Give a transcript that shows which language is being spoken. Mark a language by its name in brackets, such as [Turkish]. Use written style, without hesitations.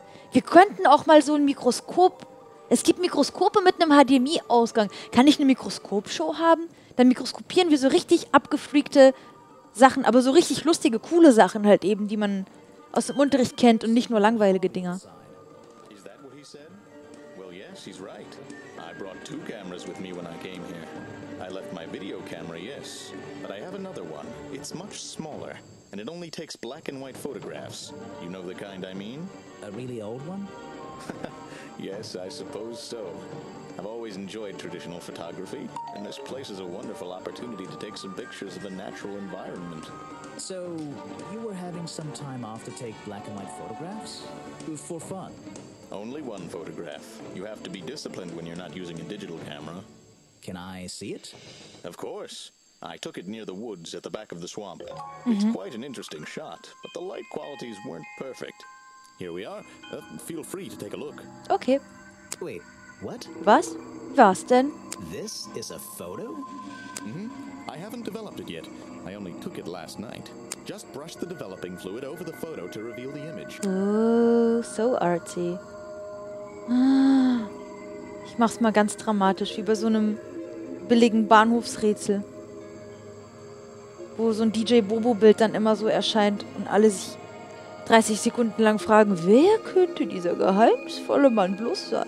[German] Wir könnten auch mal so ein Mikroskop... Es gibt Mikroskope mit einem HDMI-Ausgang. Kann ich eine Mikroskopshow haben? Dann mikroskopieren wir so richtig abgefreakte Sachen, aber so richtig lustige, coole Sachen halt eben, die man aus dem Unterricht kennt und nicht nur langweilige Dinger. Ist das, was er gesagt hat? [English] Well, yes, he's right. I brought two cameras with me when I came here. I left my video camera, yes. But I have another one. It's much smaller. And it only takes black and white photographs. You know the kind I mean? A really old one? Yes, I suppose so. I've always enjoyed traditional photography, and this place is a wonderful opportunity to take some pictures of the natural environment. So, you were having some time off to take black and white photographs? For fun? Only one photograph. You have to be disciplined when you're not using a digital camera. Can I see it? Of course. I took it near the woods at the back of the swamp. Mm-hmm. It's quite an interesting shot, but the light qualities weren't perfect. Here we are. Feel free to take a look. Okay. Wait, what? [German] Was? Was denn? [English] This is a photo? Mm-hmm. I haven't developed it yet. I only took it last night. Just brush the developing fluid over the photo to reveal the image. Oh, so artsy. [German] Ich mach's mal ganz dramatisch, wie bei so einem billigen Bahnhofsrätsel. Wo so ein DJ-Bobo-Bild dann immer so erscheint und alle sich 30 Sekunden lang fragen, wer könnte dieser geheimnisvolle Mann bloß sein?